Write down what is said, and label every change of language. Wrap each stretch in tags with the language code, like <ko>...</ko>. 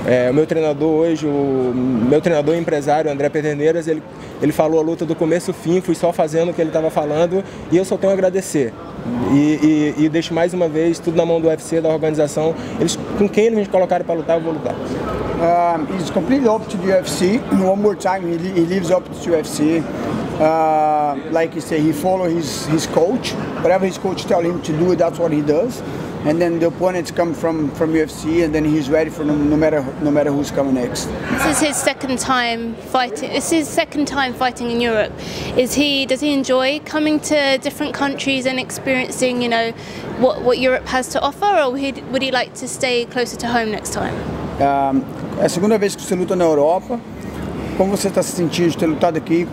<pt>O meu treinador hoje, o meu treinador empresário, André Pederneiras, ele falou a luta do começo ao fim, fui só fazendo o que ele estava falando e eu só tenho a agradecer. E deixo mais uma vez tudo na mão do UFC, da organização. Eles, com quem eles me colocaram para lutar, eu vou lutar.</pt> <en>It's completely up to the UFC. One more time, he lives up to the UFC. Like you say, he follows his coach. Whatever his coach tells him to do, that's what he does. And then the opponents come from UFC, and then he's ready for no matter who's coming next. This is his second time fighting. This is his second time fighting in Europe. Does he enjoy coming to different countries and experiencing, you know, what Europe has to offer, or would he like to stay closer to home next time?</en> <pt>É a segunda vez que você luta na Europa. Como você está se sentindo de ter lutado aqui?</pt>